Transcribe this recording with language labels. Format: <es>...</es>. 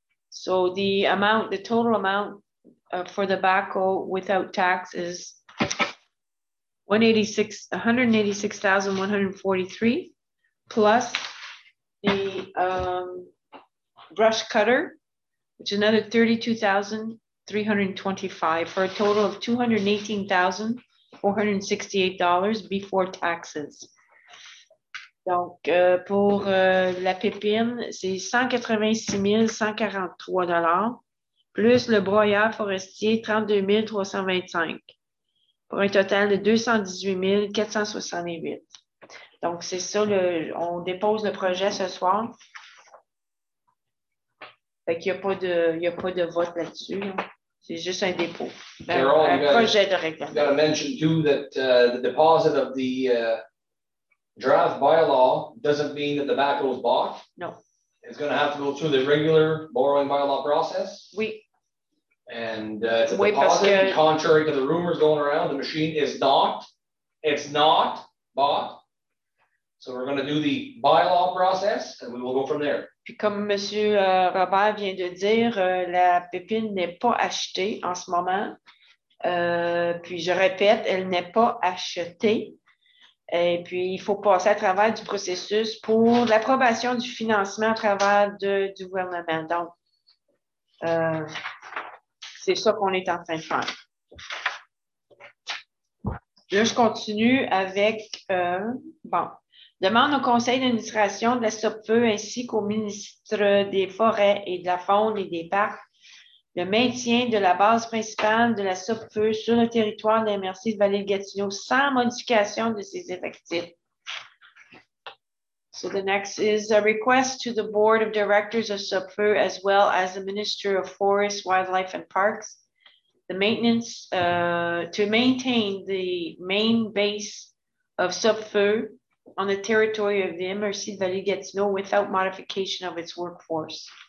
<en>So, the amount, the total amount for the BACO without tax is $186,143 plus the brush cutter, which is another $32,325 for a total of $218,468 before taxes.</en> <fr>Donc, pour la pépine, c'est $186,143 plus le broyeur forestier $32,325. Pour un total de $218,468. Donc, c'est ça, on dépose le projet ce soir. Fait qu'il n'y a pas de vote là-dessus. Là. C'est juste un dépôt. Un projet de règlement.</fr> <en>You've got to mention, too, that the deposit of the draft bylaw doesn't mean that the BACO is bought. No. It's going to have to go through the regular borrowing bylaw process.</en> <fr>Oui.</fr> <en>And it's a deposit, contrary to the rumors going around, the machine is not, it's not bought. So we're going to do the bylaw process and we will go from there.</en> <fr>Puis comme M. Robert vient de dire, la pépine n'est pas achetée en ce moment. Puis je répète, elle n'est pas achetée. Et puis il faut passer à travers du processus pour l'approbation du financement à travers du gouvernement. Donc, c'est ça qu'on est en train de faire. Là, je continue avec, demande au conseil d'administration de la SOPFE ainsi qu'au ministre des Forêts et de la Faune et des Parcs le maintien de la base principale de la SOPFE sur le territoire de la MRC de Vallée-de-Gatineau sans modification de ses effectifs.</fr> <en>So the next is a request to the board of directors of SOPFE as well as the Minister of Forests, Wildlife and Parks. The maintenance to maintain the main base of SOPFE on the territory of the MRC de Vallée-Gatineau without modification of its workforce.</en>